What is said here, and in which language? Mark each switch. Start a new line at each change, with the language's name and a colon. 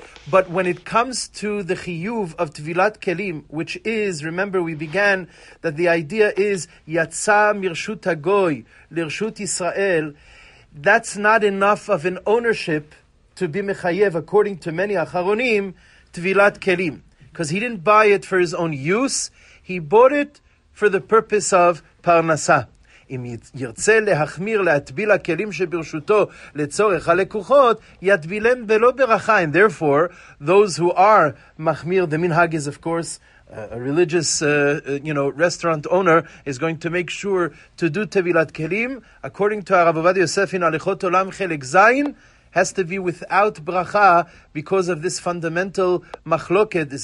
English: but when it comes to the chiyuv of tevilat kelim, which is, remember, we began that the idea is
Hebrew: yatsa mirshut hagoy lirshut Yisrael,
English: that's not enough of an ownership to be mechayev, according to many acharonim, tevilat kelim, because he didn't buy it for his own use; he bought it for the purpose of parnasa.
Hebrew: אם ירצה להחמיר להטביל הכלים שברשותו לצורך הלקוחות, יטבילם ולא ברכה.
English: And therefore, those who are מחמיר, the minhag is, of course, a religious restaurant owner, is going to make sure to do tevilat kelim, according to הרב עובדיה יוסף in הלכות עולם חלק זין, has to be without bracha because of this fundamental machloket.